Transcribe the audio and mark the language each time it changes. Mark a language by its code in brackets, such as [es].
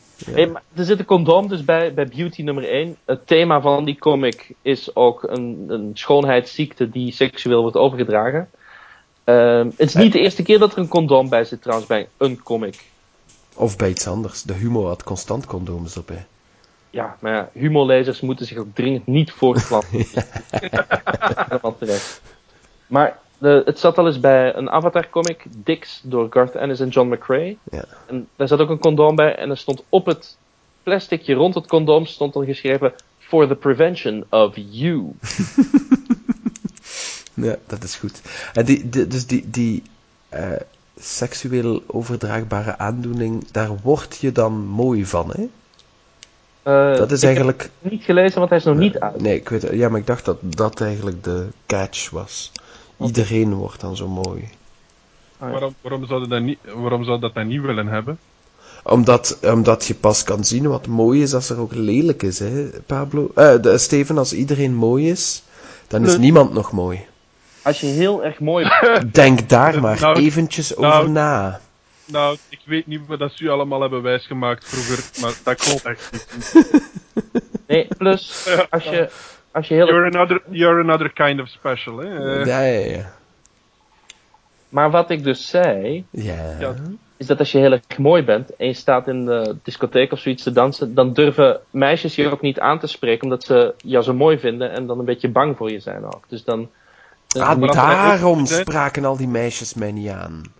[nl] Hey, maar er zit een condoom dus bij Beauty nummer 1. Het thema van die comic is ook een schoonheidsziekte die seksueel wordt overgedragen. Het is niet de eerste keer dat er een condoom bij zit, trouwens, bij een comic. Of bij iets anders. De Humo had constant condooms op, hè. Ja, maar ja, Humo-lezers moeten zich ook dringend niet voortplanten. Ja. Terecht. Maar... het zat al eens bij een Avatar-comic, Dix, door Garth Ennis en John McRae. Ja. En daar zat ook een condoom bij en er stond op het plasticje rond het condoom stond dan geschreven... [en] For the prevention of you. [nl] Ja, dat is goed. Die seksueel overdraagbare aandoening, daar word je dan mooi van, hè? Dat is eigenlijk... Ik heb het niet gelezen, want hij is nog niet uit. Nee, ik weet het. Ja, maar ik dacht dat dat eigenlijk de catch was... Iedereen wordt dan zo mooi. Waarom zou dat dan niet willen hebben? Omdat je pas kan zien wat mooi is als er ook lelijk is, hè, Pablo? Steven, als iedereen mooi is, dan is niemand nog mooi. Als je heel erg mooi bent. Denk daar maar eventjes over na. Nou, ik weet niet wat ze u allemaal hebben wijsgemaakt vroeger, maar dat klopt echt niet. Nee, plus, als je... Als je heel... [en] you're another kind of special, [nl] hè? Ja. Maar wat ik dus zei... Ja. Is dat als je heel erg mooi bent... en je staat in de discotheek of zoiets te dansen... dan durven meisjes je ook niet aan te spreken... omdat ze jou zo mooi vinden... en dan een beetje bang voor je zijn ook. Dus dan... daarom spraken al die meisjes mij niet aan.